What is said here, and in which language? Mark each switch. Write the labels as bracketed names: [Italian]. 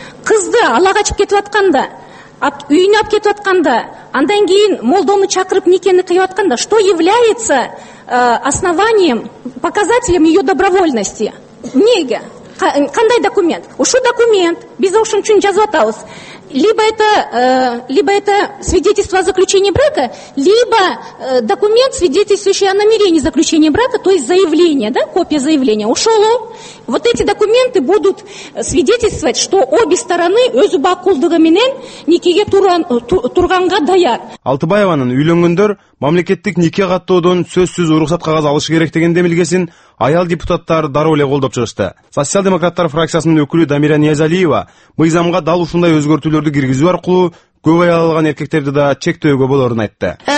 [Kyrgyz] Кызды ала качып кетип атканда, үйүнө алып кетип атканда, андан кийин молдону чакырып никени кыйып атканда, [Russian] что является основанием, показателем ее добровольности? [Kyrgyz] Неге? Кандай документ? Ушу документ, биз ушун үчүн жазып атабыз. [Russian] Либо это свидетельство о заключении брака, либо документ, свидетельствующий о намерении заключения брака, то есть заявление, да, копия заявления. Ушел. Вот эти документы будут свидетельствовать, что обе стороны [Kyrgyz] өзү макулдугу менен никеге турганга даяр. Алтыбаеванын үйлөнгөндөр мамлекеттик нике каттоодон сөзсүз уруксат кагаз алышы керек деген демилгесин аял депутаттар дароо эле колдоп чыгышты. Социал демократтар фракциясынын өкүлү Дамира Ниязалиева мыйзамга дал ушундай өзгөртүүлөрдү киргизүү аркылуу көп аял алган эркектерди да чектөөгө болорун айтты.